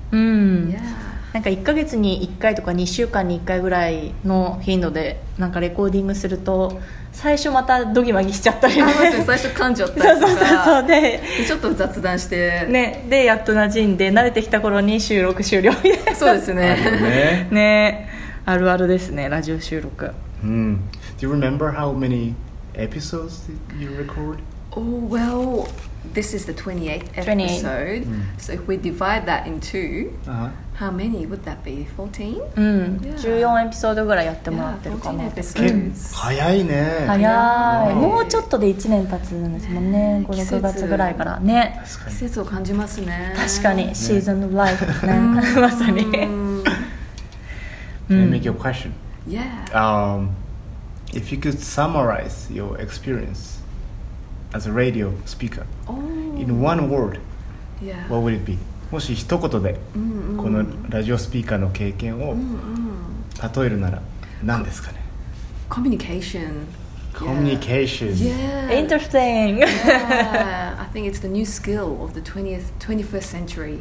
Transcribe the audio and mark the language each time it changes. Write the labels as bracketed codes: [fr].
[ja] うん、yeah. なんか1ヶ月に1回とか2週間に1回ぐらいの頻度でなんかレコーディングすると最初またドギマギしちゃったり、ね、最初噛んじゃったりとか、そうそうそう、でちょっと雑談して、ね、でやっと馴染んで慣れてきた頃に収録終了みたいな。そうです ね, ね, ねあるあるですね、ラジオ収録。 [en] Do you remember how many episodes did you record? Oh well, this is the 28th episode. Mm. So if we divide that in two, how many would that be? 14? Mm. Yeah. 14 episodes [ja] ぐらいやってもらってるかも。早いね。早い。もうちょっとで1年経つんですもんね。 5、6月ぐらいからね。季節を感じますね。確かに。シーズンのライフですね。まさに。 [en] Let me make you a question. Yeah. If you could summarize your experience as a radio speaker in one word, what would it be? [ja] もし一言でこのラジオスピーカーの経験を例えるなら何ですかね? [en] Communication. Communication. Yeah. Interesting. Yeah. I think it's the new skill of the 21st century.